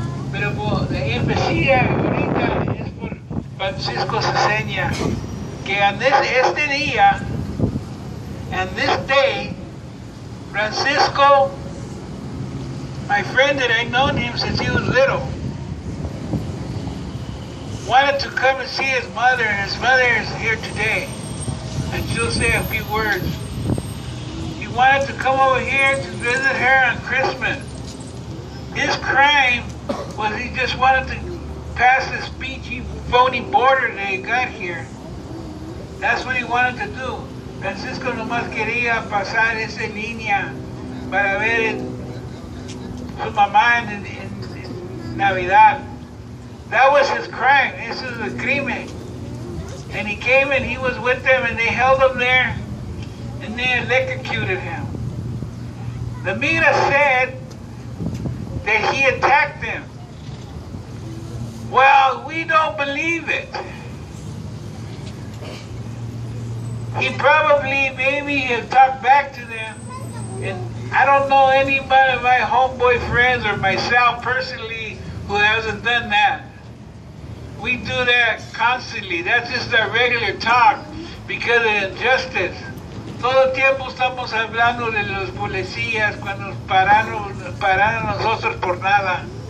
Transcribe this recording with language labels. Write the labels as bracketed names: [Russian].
[Spanish] Pero pues, empecía ahorita, es por Francisco Cesena. Que en este día, [English] and this day, Francisco, my friend that I've known him since he was little, wanted to come and see his mother, and his mother is here today, and she'll say a few words. He wanted to come over here to visit her on Christmas. His crime was he just wanted to pass this beachy, phony border that he got here. That's what he wanted to do. [Spanish] Francisco nomás quería pasar esa línea para ver su mamá en Navidad. [English] That was his crime. This is a crimen. And he came and he was with them and they held him there and they electrocuted him. The migra said that he attacked them. Well, we don't believe it. He probably, maybe, had talked back to them. And I don't know anybody of my homeboy friends or myself personally who hasn't done that. We do that constantly. That's just our regular talk because of injustice. [Spanish] Todo tiempo estamos hablando de los policías cuando pararon nosotros por nada.